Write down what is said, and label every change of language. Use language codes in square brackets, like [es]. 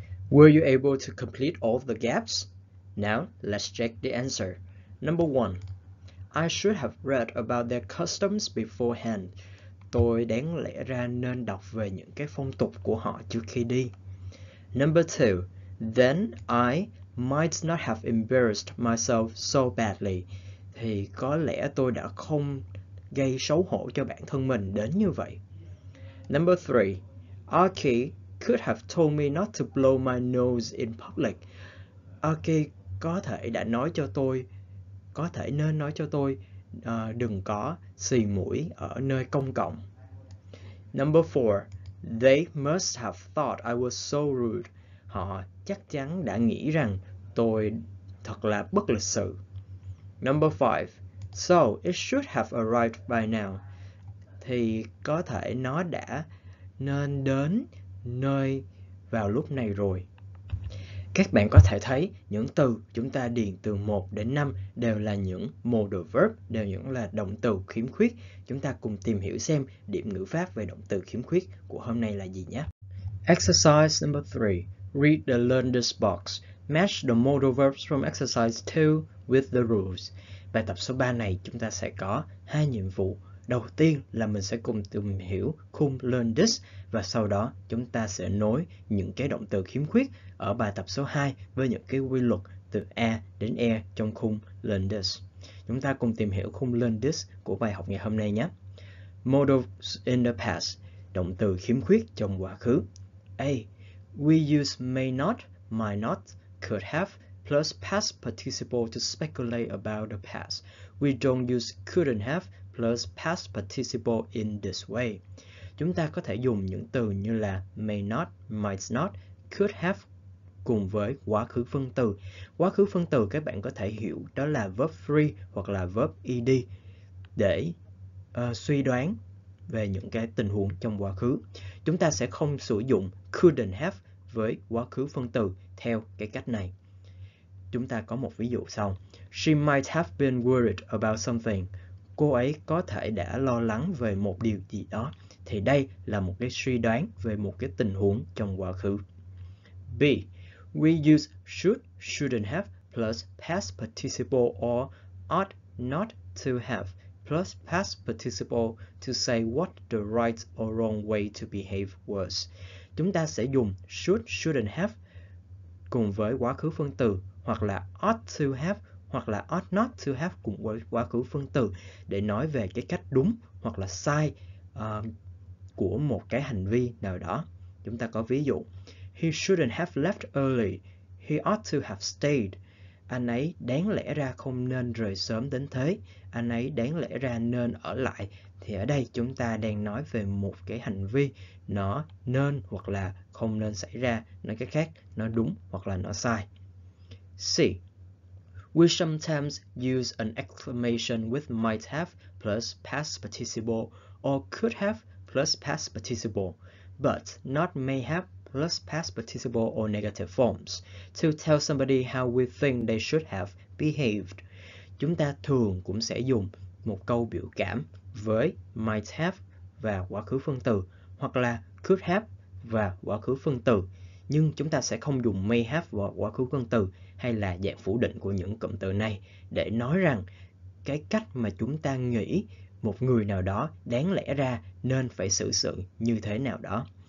[en] Were you able to complete all the gaps? Now, let's check the answer. Number one, I should have read about their customs beforehand. [vi] Tôi đáng lẽ ra nên đọc về những cái phong tục của họ trước khi đi. [en] Number two, then I might not have embarrassed myself so badly. [vi] Thì có lẽ tôi đã không gây xấu hổ cho bản thân mình đến như vậy. [en] Number three, Aki could have told me not to blow my nose in public. [vi] Aki có thể đã nói cho tôi, có thể nên nói cho tôi đừng có xì mũi ở nơi công cộng. [en] Number four, they must have thought I was so rude. [vi] Họ chắc chắn đã nghĩ rằng tôi thật là bất lịch sự. [en] Number five, so it should have arrived by now. [vi] Thì có thể nó đã nên đến nơi vào lúc này rồi. Các bạn có thể thấy những từ chúng ta điền từ 1 đến 5 đều là những modal verb, đều những là động từ khiếm khuyết. Chúng ta cùng tìm hiểu xem điểm ngữ pháp về động từ khiếm khuyết của hôm nay là gì nhé. [en] Exercise number 3. Read the learn this box. Match the modal verbs from exercise 2 with the rules. [vi] Bài tập số 3 này chúng ta sẽ có hai nhiệm vụ Đầu tiên là mình sẽ cùng tìm hiểu khung Learn This và sau đó chúng ta sẽ nối những cái động từ khiếm khuyết ở bài tập số 2 với những cái quy luật từ A đến E trong khung Learn This. Chúng ta cùng tìm hiểu khung Learn This của bài học ngày hôm nay nhé. [en] Modals in the past, [vi] động từ khiếm khuyết trong quá khứ. A. [en] We use may not, might not, could have, plus past participle to speculate about the past. We don't use couldn't have, plus past participle in this way. [vi] Chúng ta có thể dùng những từ như là may not, might not, could have cùng với quá khứ phân từ. Quá khứ phân từ các bạn có thể hiểu đó là verb free hoặc là verb ed để suy đoán về những cái tình huống trong quá khứ. Chúng ta sẽ không sử dụng couldn't have với quá khứ phân từ theo cái cách này. Chúng ta có một ví dụ sau. [en] She might have been worried about something. [vi] Cô ấy có thể đã lo lắng về một điều gì đó. Thì đây là một cái suy đoán về một cái tình huống trong quá khứ. B. [en] We use should, shouldn't have, plus past participle or ought not to have, plus past participle to say what the right or wrong way to behave was. [vi] Chúng ta sẽ dùng should, shouldn't have cùng với quá khứ phân từ, hoặc là ought to have, hoặc là ought not to have cùng với quá khứ phân từ để nói về cái cách đúng hoặc là sai của một cái hành vi nào đó. Chúng ta có ví dụ. [en] He shouldn't have left early. He ought to have stayed. [vi] Anh ấy đáng lẽ ra không nên rời sớm đến thế. Anh ấy đáng lẽ ra nên ở lại. Thì ở đây chúng ta đang nói về một cái hành vi nó nên hoặc là không nên xảy ra. Nói cách khác, nó đúng hoặc là nó sai. C. [en] We sometimes use an exclamation with might have plus past participle or could have plus past participle, but not may have plus past participle or negative forms to tell somebody how we think they should have behaved. [vi] Chúng ta thường cũng sẽ dùng một câu biểu cảm với might have và quá khứ phân từ hoặc là could have và quá khứ phân từ. Nhưng chúng ta sẽ không dùng may have và quá khứ phân từ hay là dạng phủ định của những cụm từ này để nói rằng cái cách mà chúng ta nghĩ một người nào đó đáng lẽ ra nên phải xử sự như thế nào đó.